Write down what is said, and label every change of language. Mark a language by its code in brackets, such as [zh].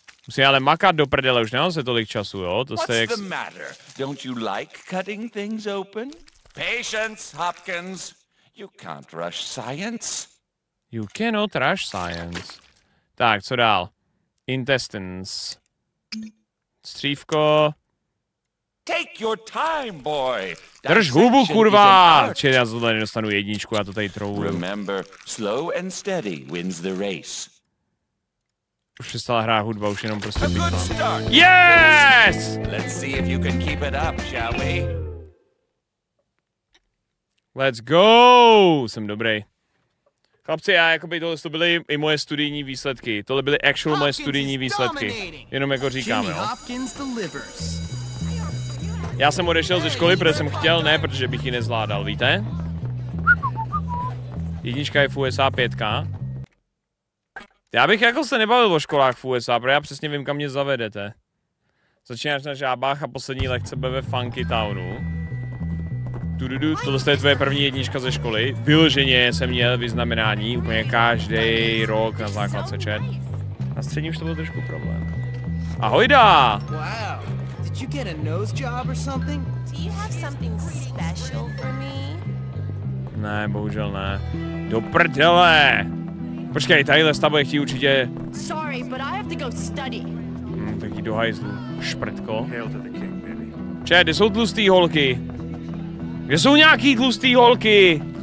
[cs] Musím ale makat do prdele, už nemám se tolik času, jo? To jste jak... [en] What's the matter? Don't you like cutting things open? Patience, Hopkins. You can't rush science. You cannot rush science. [cs] Tak, co dál? Intestines. Střívko. [en] Take your time, boy. [cs] Drž hubu, kurva! Či já zhodle nedostanu jedničku, já to tady trouju. [en] Remember, slow and steady wins the race. [cs] Už přestala hrát hudba, už jenom prostě yes! [en] Let's see if you can keep it up, shall we? Let's go! [cs] Jsem dobrý. Chlapci, já jakoby tohle to byly i moje studijní výsledky. Tohle byly actual Hopkins moje studijní výsledky. Jenom jako říkám, Jimmy jo. [en] Hopkins delivers. [cs] Já jsem odešel ze školy, protože jsem chtěl, ne, protože bych ji nezvládal, víte? Jednička je v USA pětka. Já bych jako se nebavil o školách v USA, protože já přesně vím, kam mě zavedete. Začínáš na žábách a poslední lekce bude ve Funky Townu. Du-du-du, tohle je tvoje první jednička ze školy. Vyloženě jsem měl vyznamenání úplně každý rok na základce čet. Na střední už to bylo trošku problém. Ahojda! [en] Wow, did you get a nose job or something? Do you have something special for me? [cs] Ne, bohužel ne. Do prdele! Počkej, tadyhle stavuje chtí určitě... [en] Sorry, but I have to go study. [cs] Tak jdi do hajzlu, šprtko. Če, kde jsou tlustý holky? Kde jsou nějaký tlustý holky?